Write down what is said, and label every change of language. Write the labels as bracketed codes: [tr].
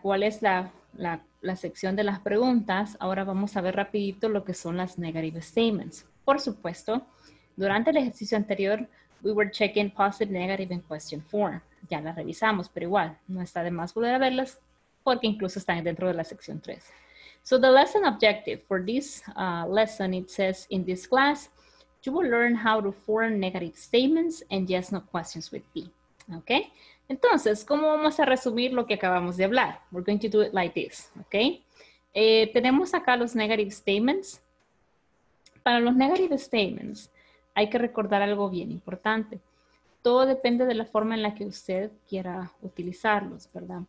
[es] ¿Cuál es la sección de las preguntas? Ahora vamos a ver rapidito lo que son las negative statements. Por supuesto, durante el ejercicio anterior, [en] we were checking positive, negative, and question form. [es] Ya las revisamos, pero igual, no está de más volver a verlas porque incluso están dentro de la sección 3. [en] So the lesson objective for this lesson, it says in this class, you will learn how to form negative statements and yes, no questions with B. Okay? [es] Entonces, ¿cómo vamos a resumir lo que acabamos de hablar? [en] We're going to do it like this. Okay? [es] Tenemos acá los negative statements. Para los negative statements, hay que recordar algo bien importante. Todo depende de la forma en la que usted quiera utilizarlos, ¿verdad?